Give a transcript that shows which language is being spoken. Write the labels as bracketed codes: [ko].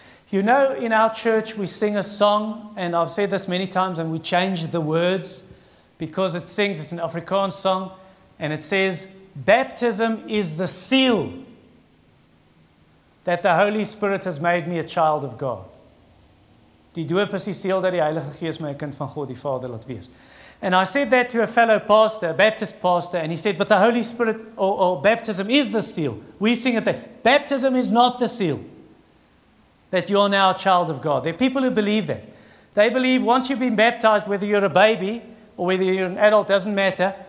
[en] You know, in our church, we sing a song, and I've said this many times, and we change the words because it sings, it's an Afrikaans song, and it says, baptism is the seal that the Holy Spirit has made me a child of God. [af] Die doop is die seal dat die Heilige Gees my 'n kind van God, die Vader, laat wees. [en] And I said that to a fellow pastor, a Baptist pastor, and he said, but the Holy Spirit or baptism is the seal. We sing it there. Baptism is not the seal that you're now a child of God. There are people who believe that. They believe once you've been baptized, whether you're a baby or whether you're an adult, doesn't matter.